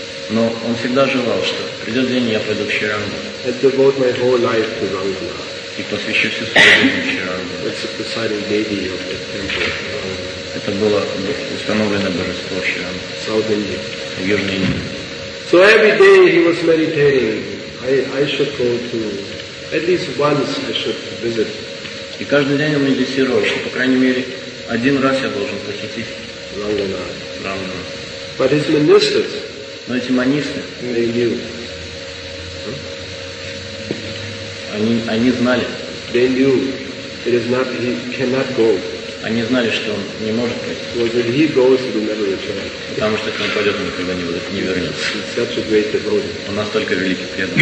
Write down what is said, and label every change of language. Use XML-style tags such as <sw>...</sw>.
<ru>Но он всегда желал, что придет день, я пойду в Шри Рангам.</ru> <en>I devote my whole life to Rangam.</en> <ru>И посвящу всю свою жизнь Шри Рангам.</ru> <en>It's a presiding deity of the temple.</en> <ru>Это было установлено божество Шри Рангам.</ru> <en>South India.</en> <ru>В Южной Индии.</ru> <en>So every day he was meditating. I should go to at least once I should visit.</en> <ru>И каждый день он медитировал, что по крайней мере один раз я должен посетить</ru> <en>Рангана. But his ministers,</en> <ru>но эти манисты,</ru> <en>they knew.</en> <ru>Они знали.</ru> <en>They knew it is not, he cannot go.</en> <ru>Они знали, что он не может пойти.</ru> <en>Well, he goes, he'll never return.</en> <ru>Потому что когда он пойдет, он никогда не будет, не вернется.</ru> <en>He's such a great devotee.</en> <ru>Он настолько великий преданный.</ru>